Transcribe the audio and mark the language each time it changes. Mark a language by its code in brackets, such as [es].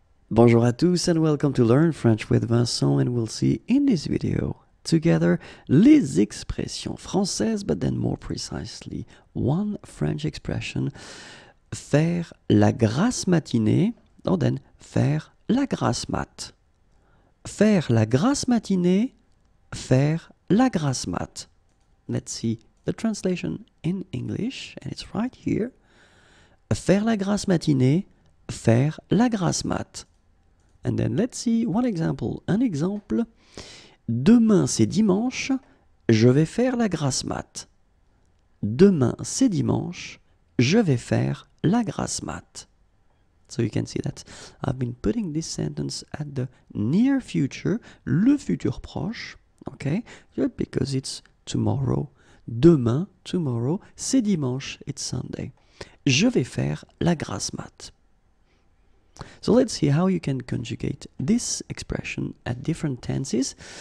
[fr] Bonjour à tous [en] and welcome to Learn French with Vincent and we'll see in this video together [fr] les expressions françaises [en] but then more precisely one French expression faire la grasse matinée and then faire la grasse mat. [fr] Faire la grasse matinée, faire la grasse mat. [en] Let's see the translation in English and it's right here. [fr] Faire la grasse matinée, faire la grasse mat. [en] And then let's see one example. [fr] Un exemple. Demain c'est dimanche, je vais faire la grasse mat. Demain c'est dimanche, je vais faire la grasse mat. [en] So you can see that I've been putting this sentence at the near future, le futur proche, okay? Yeah, because it's tomorrow. Demain, tomorrow, [fr] c'est dimanche, [en] it's Sunday. [fr] Je vais faire la grasse mat. [en] So let's see how you can conjugate this expression at different tenses.